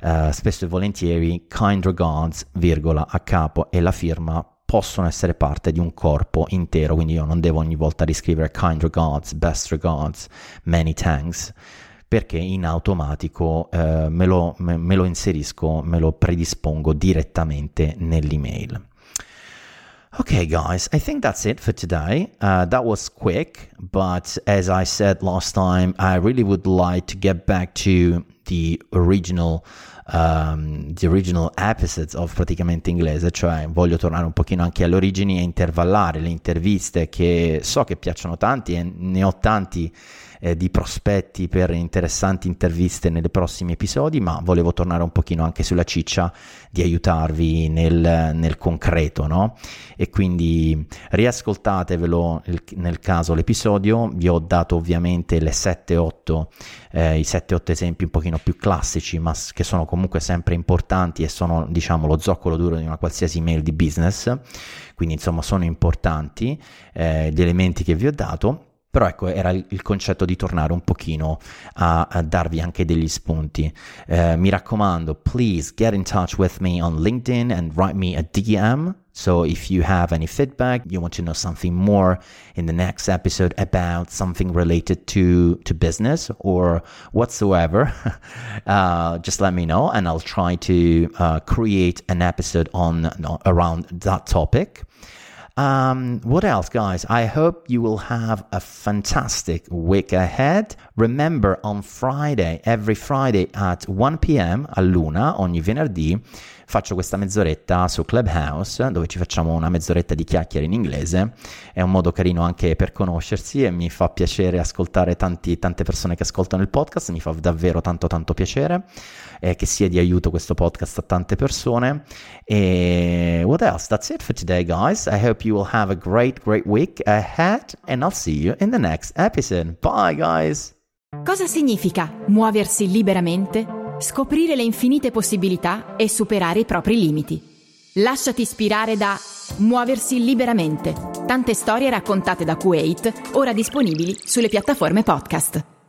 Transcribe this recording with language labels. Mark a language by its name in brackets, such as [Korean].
[Italian] Spesso e volentieri [English] kind regards, [Italian] virgola, a capo e la firma possono essere parte di un corpo intero, quindi io non devo ogni volta riscrivere [English] kind regards, best regards, many thanks, [Italian] perché in automatico me lo inserisco, me lo predispongo direttamente nell'email. [English] Okay guys, I think that's it for today. That was quick, but as I said last time, I really would like to get back to the original the original episodes of [Italian] Praticamente Inglese, cioè voglio tornare un pochino anche alle origini e intervallare le interviste che so che piacciono tanti e ne ho tanti di prospetti per interessanti interviste nei prossimi episodi, ma volevo tornare un pochino anche sulla ciccia di aiutarvi nel concreto, no? E quindi riascoltatevelo nel caso l'episodio. Vi ho dato ovviamente le 7-8 i 7-8 esempi un pochino più classici, ma che sono comunque sempre importanti e sono, diciamo, lo zoccolo duro di una qualsiasi email di business, quindi insomma sono importanti gli elementi che vi ho dato. Però ecco, era il concetto di tornare un pochino a darvi anche degli spunti. Mi raccomando, [English] please get in touch with me on LinkedIn and write me a DM. So if you have any feedback, you want to know something more in the next episode about something related to business or whatsoever, just let me know and I'll try to create an episode on around that topic. What else, guys? I hope you will have a fantastic week ahead. Remember, on Friday, every Friday at 1 p.m. [Italian] a Luna, ogni venerdì, faccio questa mezz'oretta su Clubhouse, dove ci facciamo una mezz'oretta di chiacchiere in inglese. È un modo carino anche per conoscersi e mi fa piacere ascoltare tante persone che ascoltano il podcast. Mi fa davvero tanto piacere che sia di aiuto questo podcast a tante persone. E [English] what else? That's it for today, guys. I hope you will have a great week ahead and I'll see you in the next episode. Bye, guys! [Italian] Cosa significa muoversi liberamente? Scoprire le infinite possibilità e superare i propri limiti. Lasciati ispirare da Muoversi liberamente. Tante storie raccontate da Kuwait, ora disponibili sulle piattaforme podcast.